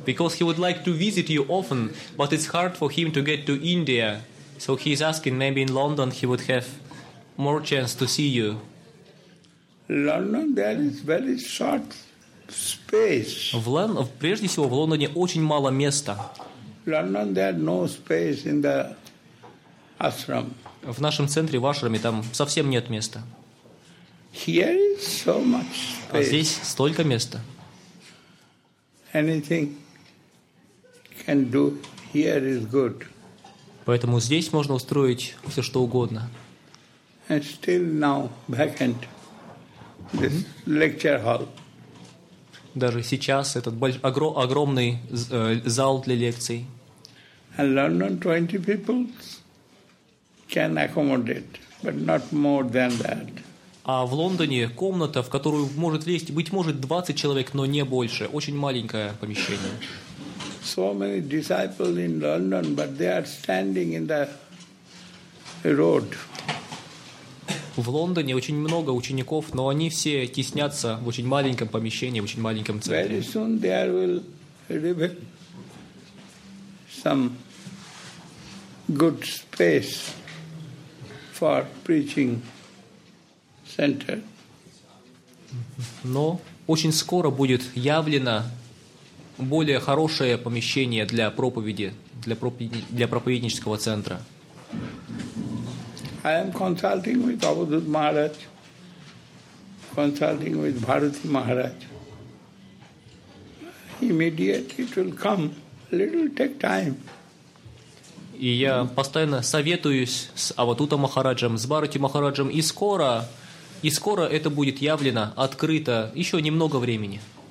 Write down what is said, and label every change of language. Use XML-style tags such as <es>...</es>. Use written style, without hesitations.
<en>Because he would like to visit you often, but it's hard for him to get to India. So he is asking, maybe in London he would have more chance to see you. London, there is very short space.</en> <ru>Прежде всего, в Лондоне очень мало места.</ru> <en>London, there is no space in the ashram.</en> <ru>В нашем центре, в ашраме, там совсем нет места.</ru> <en>Here is so much space.</en> <ru>А здесь столько места.</ru> <en>Anything can do here is good.</en> <ru>Поэтому здесь можно устроить все что угодно.</ru> <en>And still now vacant this lecture hall.</en> <ru>Даже сейчас этот огромный зал для лекций.</ru> <en>And London 20 people can accommodate, but not more than that.</en> <ru>А в Лондоне комната, в которую может влезть, быть может, 20 человек, но не больше. Очень маленькое помещение.</ru> <en>So many disciples in London, but they are standing in the road.</en> <ru>В Лондоне очень много учеников, но они все теснятся в очень маленьком помещении, в очень маленьком центре.</ru> <en>Very soon there will be some good space for preaching. Center.</en> <ru>Но очень скоро будет явлено более хорошее помещение для проповеди, для проповеднического центра.</ru> <en>I am consulting with Avadhut Maharaj, consulting with Bharati Maharaj. Immediately it will come. Little take time.</en> <ru>И я постоянно советуюсь с Авадутом Махараджем, с Бхарати Махараджем, и скоро. И скоро это будет явлено, открыто, еще немного времени.</ru>